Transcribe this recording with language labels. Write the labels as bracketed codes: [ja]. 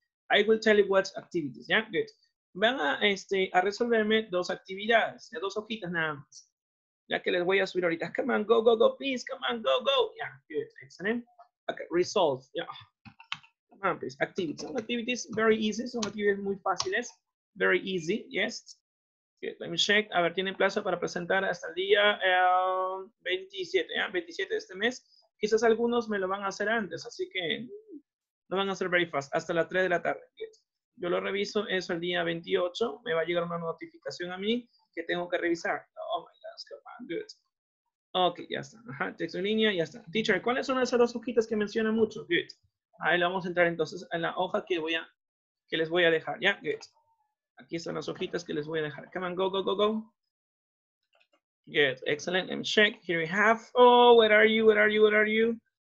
[en] I will tell you what activities, yeah, good. [es] Van a, a resolverme dos actividades, ya dos hojitas nada más, ya que les voy a subir ahorita. [en] Come on, go, go, go, please, come on, go, go, yeah, good, excellent. Okay, resolve, yeah. Come on, please. Activities. Some activities very easy. Some activities [es] muy fáciles. [en] Very easy, yes. Okay, let me check. [es] A ver, tienen plazo para presentar hasta el día 27, ¿ya? 27 de este mes. Quizás algunos me lo van a hacer antes, así que no van a ser [en] very fast. [es] Hasta las 3 de la tarde. Okay. Yo lo reviso eso el día 28. Me va a llegar una notificación a mí que tengo que revisar. [en] Oh my gosh, come on, good. [es] Ok, ya está. Ajá, texto en línea, ya está. Teacher, ¿cuáles son esas dos hojitas que menciona mucho? Good. Ahí le vamos a entrar entonces en la hoja que les voy a dejar, ¿ya? Good. Aquí están las hojitas que les voy a dejar. [en] Come on, go, go, go, go. Good, excellent, and check. Here we have, oh, where are you, where are you, where are you?